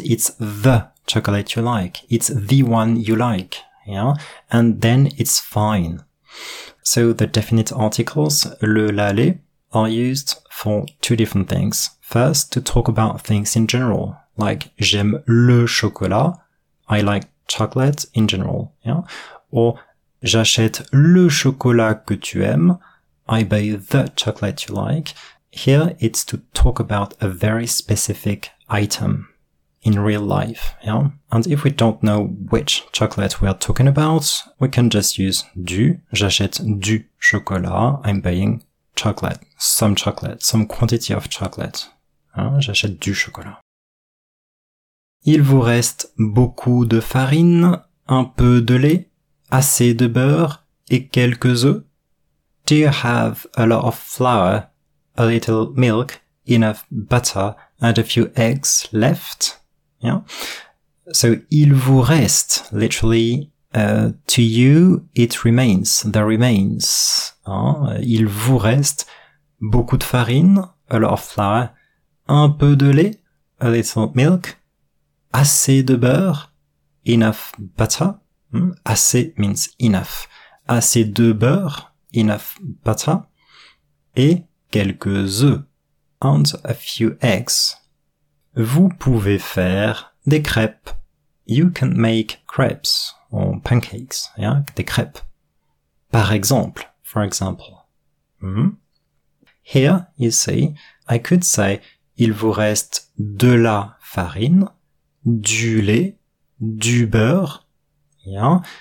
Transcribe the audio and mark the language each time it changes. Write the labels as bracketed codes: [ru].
[en] It's the chocolate you like. It's the one you like. Yeah. And then it's fine. So the definite articles, le, la, les, are used for two different things. First, to talk about things in general, like [fr] j'aime le chocolat. [en] I like chocolate in general. Yeah. Or [fr] j'achète le chocolat que tu aimes. [en] I buy the chocolate you like. Here, it's to talk about a very specific item in real life, yeah? And if we don't know which chocolate we are talking about, we can just use du, [fr] j'achète du chocolat, [en] I'm buying chocolate, some quantity of chocolate, hein? [fr] J'achète du chocolat. Il vous reste beaucoup de farine, un peu de lait, assez de beurre et quelques œufs. [en] Do you have a lot of flour, a little milk, enough butter and a few eggs left? Yeah. So, [fr] il vous reste, [en] literally, to you, it remains, there remains. Hein? [fr] Il vous reste beaucoup de farine, [en] a lot of flour, [fr] un peu de lait, [en] a little milk, [fr] assez de beurre, [en] enough butter. Hmm? Assez means enough. [fr] Assez de beurre, [en] enough butter, [fr] et quelques œufs, [en] and a few eggs. [fr] Vous pouvez faire des crêpes. [en] You can make crepes or pancakes, yeah? [fr] Des crêpes. Par exemple, [en] for example. [fr] Mm-hmm. [en] Here, you see, I could say, [fr] il vous reste de la farine, du lait, du beurre, [en] yeah?